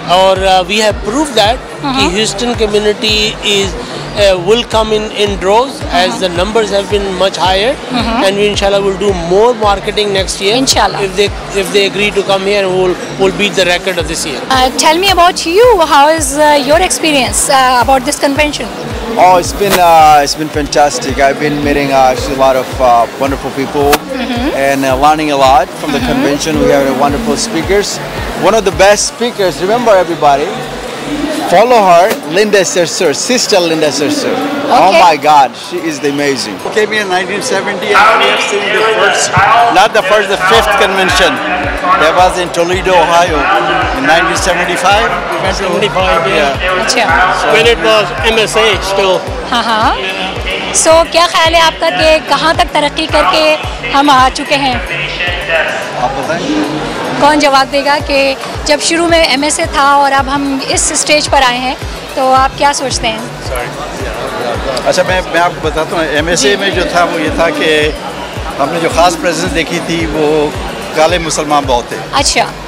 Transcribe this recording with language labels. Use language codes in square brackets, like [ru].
[en] और we have prove that कि Houston community is will come in droves as the numbers have been much higher and we इंशाल्लाह will do more marketing next year if they agree to come here will beat the record of this year tell me about you how is your experience about this convention Oh, it's been fantastic. I've been meeting actually a lot of wonderful people and learning a lot from the convention. We have wonderful speakers. One of the best speakers, remember everybody, follow her, Linda Sersur, Sister Linda Sersur. Okay. Oh my God, she is amazing. Came here in 1970 and we have seen the first, not the first, the fifth convention. That was in Toledo, Ohio in 1975. Yeah. Yeah. Okay. When it was MSA still. Uh-huh. Yeah. So, what do you think? Where have we come from? [hi] कौन जवाब देगा कि जब शुरू में MSA था और अब हम इस स्टेज पर आए हैं तो आप क्या सोचते हैं? अच्छा मैं आपको बताता हूं एमएसए में जो था वो ये था कि हमने जो खास प्रेजेंस देखी थी वो काले मुसलमान बहुत थे